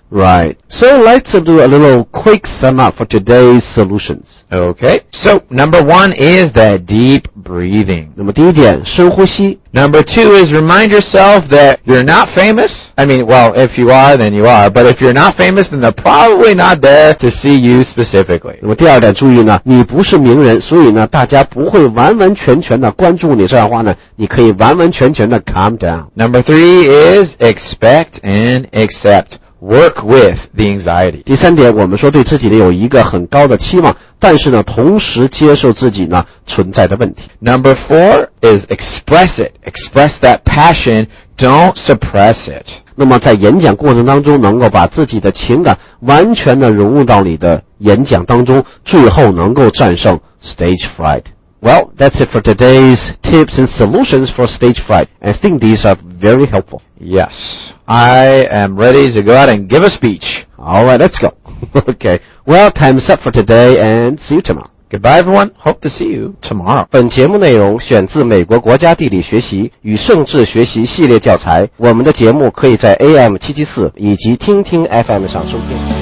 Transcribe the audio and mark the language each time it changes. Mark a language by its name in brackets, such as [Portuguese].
[English] Right. So let's do a little quick sum up for today's solutions. Okay. So number one is that deep breathing. [Chinese] 那么第一点，深呼吸。 [English] Number two is remind yourself that you're not famous. I mean, well, if you are, then you are. But if you're not famous, then they're probably not there to see you specifically. [Chinese] 那么第二点，注意呢，你不是名人，所以呢，大家不会完完全全的关注你。这样的话呢，你可以完完全全的 [English] calm down. Number three is expect and accept. Work with the anxiety. [Chinese] 第三点，我们说对自己有一个很高的期望，但是呢，同时接受自己呢存在的问题。 [English] Number four is express it. Express that passion. Don't suppress it. [Chinese] 那么在演讲过程当中，能够把自己的情感完全的融入到你的演讲当中，最后能够战胜 [English] stage fright. Well, that's it for today's tips and solutions for stage fright. I think these are very helpful. Yes. I am ready to go out and give a speech. All right, let's go. Okay. Well, time's up for today, and see you tomorrow. Goodbye, everyone. Hope to see you tomorrow. [Chinese] 本节目内容选自美国国家地理学习与政治学习系列教材。我们的节目可以在 AM774 以及听听 FM 上收听。